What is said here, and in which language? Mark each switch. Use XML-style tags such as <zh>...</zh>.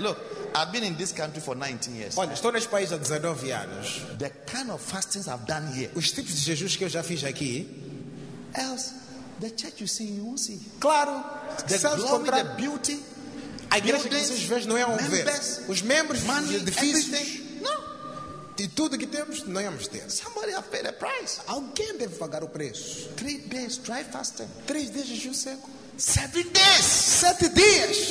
<en>Look, I've been in this country for 19 years.</en> <pt>Olha, estou neste país há 19 anos.</pt> <en>The kind of fastings I've done here.</en> <pt>Os tipos de jejuns que eu já fiz aqui.</pt> <en>Else, the church you see, you won't see.</en> <pt>Claro.</pt> <en>The glory, the beauty.</en> <pt>A igreja que vocês veem não é um ver. Os membros,</pt> <en>money,</en> <pt>os edifícios, não. De tudo que temos, não íamos ter.</pt> <en>Somebody has paid a price.</en> <pt>Alguém deve pagar o preço.</pt> <en>3 days dry fasting.</en> <pt>3 dias de jejum seco.</pt> <en>7 days.</en> <pt>7 dias.</pt>